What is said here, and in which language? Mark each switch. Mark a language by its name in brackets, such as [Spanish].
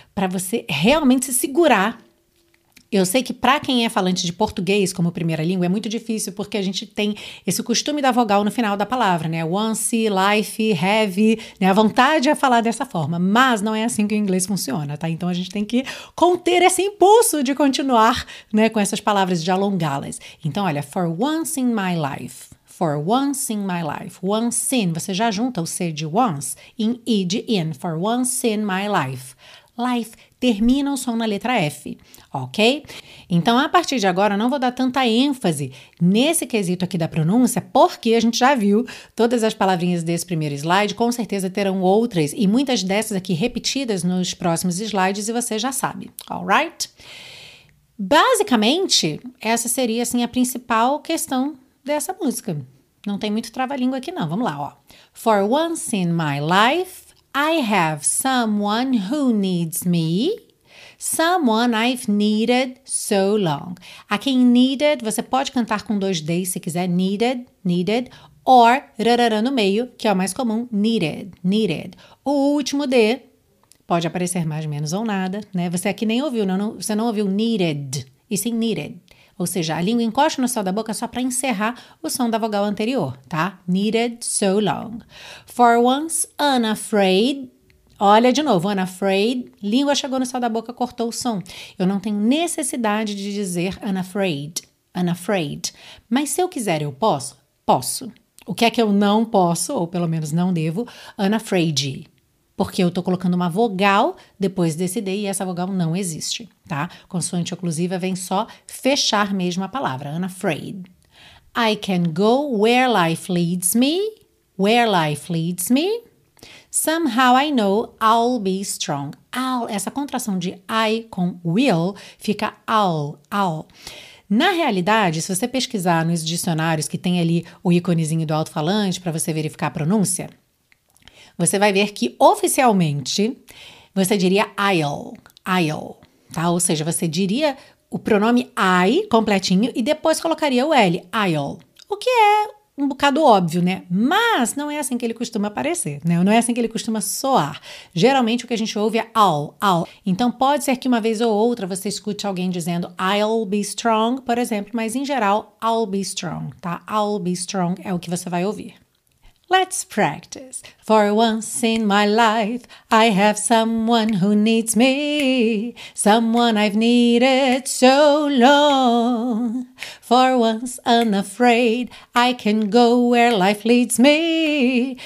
[Portuguese] Para você realmente se segurar. Eu sei que para quem é falante de português como primeira língua é muito difícil porque a gente tem esse costume da vogal no final da palavra, né? Once, life, have, né? A vontade é falar dessa forma, mas não é assim que o inglês funciona, tá? Então a gente tem que conter esse impulso de continuar, né, com essas palavras, de alongá-las. Então, olha, [English] for once in my life. For once in my life, once in, [Portuguese] você já junta o C de once em E de in, [English] for once in my life. [Portuguese] Life termina o som na letra F, ok? Então, a partir de agora, eu não vou dar tanta ênfase nesse quesito aqui da pronúncia, porque a gente já viu todas as palavrinhas desse primeiro slide, com certeza terão outras e muitas dessas aqui repetidas nos próximos slides e você já sabe, alright? Basicamente, essa seria, assim, a principal questão dessa música. Não tem muito trava-língua aqui não. Vamos lá, ó. [English] For once in my life, I have someone who needs me. Someone I've needed so long. [Portuguese] Aqui em needed, você pode cantar com dois D's se quiser. Needed, needed. Or, rarara no meio, que é o mais comum. Needed, needed. O último D pode aparecer mais ou menos ou nada, né? Você aqui nem ouviu, não, você não ouviu needed. E sim needed. Ou seja, a língua encosta no céu da boca só para encerrar o som da vogal anterior, tá? [English] Needed so long. For once, unafraid. [Portuguese] Olha de novo, unafraid. Língua chegou no céu da boca, cortou o som. Eu não tenho necessidade de dizer unafraid. Unafraid. Mas se eu quiser, eu posso? Posso. O que é que eu não posso, ou pelo menos não devo? Unafraid. Porque eu tô colocando uma vogal depois desse D e essa vogal não existe, tá? Consoante oclusiva vem só fechar mesmo a palavra, unafraid. [English] I can go where life leads me, where life leads me. Somehow I know I'll be strong. [Portuguese] I'll, essa contração de I com will fica I'll. Na realidade, se você pesquisar nos dicionários que tem ali o íconezinho do alto-falante para você verificar a pronúncia, você vai ver que, oficialmente, você diria I'll, tá? Ou seja, você diria o pronome I completinho e depois colocaria o L, I'll. O que é um bocado óbvio, né? Mas não é assim que ele costuma aparecer, né? Não é assim que ele costuma soar. Geralmente, o que a gente ouve é I'll. Então, pode ser que uma vez ou outra você escute alguém dizendo [English] I'll be strong, [Portuguese] por exemplo, mas, em geral, I'll be strong, tá? [English] I'll be strong [Portuguese] é o que você vai ouvir. [English] Let's practice. For once in my life, I have someone who needs me. Someone I've needed so long. For once unafraid, I can go where life leads me.